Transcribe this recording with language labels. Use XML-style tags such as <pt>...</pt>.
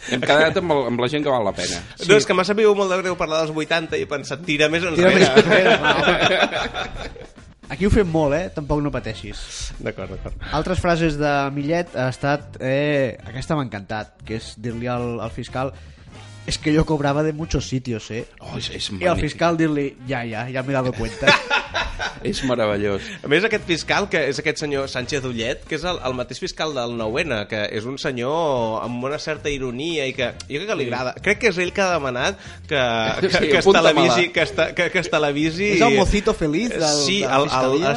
<ca>Hem quedat amb la gent que val la pena. Sí. No, és que m'ha sabut molt de greu parlar dels 80 i he pensat, tira més enrere. Tira més enrere. Aquí ho fem molt, eh? Tampoc no pateixis. D'acord, d'acord. Altres frases de Millet ha estat... aquesta m'ha encantat, que és dir-li al fiscal...</ca> <es>Es que yo cobraba de muchos sitios, ¿eh? Oh, es y al fiscal dirle, ya me he dado cuenta.</es> <ca>És meravellós. A més, aquest fiscal, que és aquest senyor Sánchez Ullet, que és el mateix fiscal del 9N, que és un senyor amb una certa ironia i que jo crec que li agrada. Sí. Crec que és ell que ha demanat que sí, es televisi... És el mocito feliz del fiscalia.</ca>